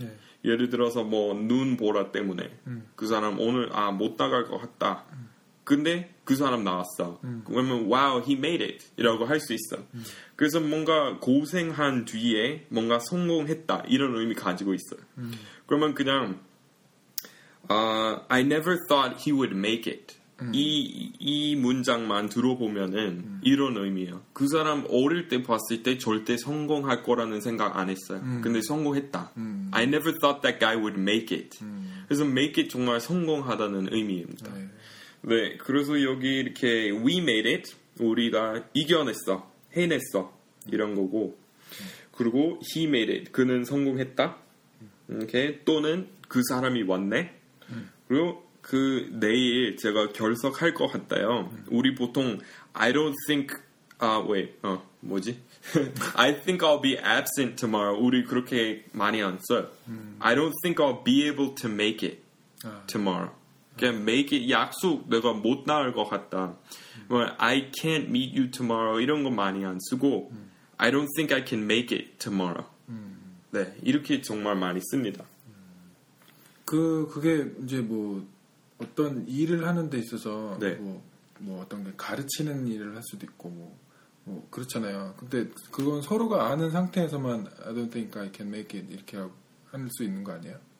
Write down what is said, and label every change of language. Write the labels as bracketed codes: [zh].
[ko] 예. 예를 들어서 뭐 눈 보라 때문에 그 사람 오늘 아 못 나갈 것 같다. 근데 그 사람 나왔어. 그러면 [en] wow, he made it [ko] 이라고 할 수 있어. 그래서 뭔가 고생한 뒤에 뭔가 성공했다 이런 의미 가지고 있어. 그러면 그냥 [en] I never thought he would make it. [ko] 이 문장만 들어보면은 이런 의미예요. 그 사람 어릴 때 봤을 때 절대 성공할 거라는 생각 안 했어요. 근데 성공했다. [en] I never thought that guy would make it. [ko] 그래서 make it 정말 성공하다는 의미입니다. 네, 그래서 여기 이렇게 [en] we made it, [ko] 우리가 이겨냈어, 해냈어 이런 거고 그리고 [en] he made it, [ko] 그는 성공했다 이렇게 또는 그 사람이 왔네 그리고 그 내일 제가 결석할 것 같아요 우리 보통 [en] I don't think, wait, [ko] 뭐지? [en] I think I'll be absent tomorrow [ko] 우리 그렇게 많이 안 써요 [en] I don't think I'll be able to make it tomorrow 그냥 make it [ko] 약속 내가 못 나올 것 같다. [en] I can't meet you tomorrow [ko] 이런 거 많이 안 쓰고 [en] I don't think I can make it tomorrow. [ko] 네 이렇게 정말 많이 씁니다. 그게 이제 뭐 어떤 일을 하는데 있어서 네. 뭐 어떤 게 가르치는 일을 할 수도 있고 뭐 그렇잖아요. 근데 그건 서로가 아는 상태에서만 [en] I don't think I can make it [ko] 이렇게 할 수 있는 거 아니에요?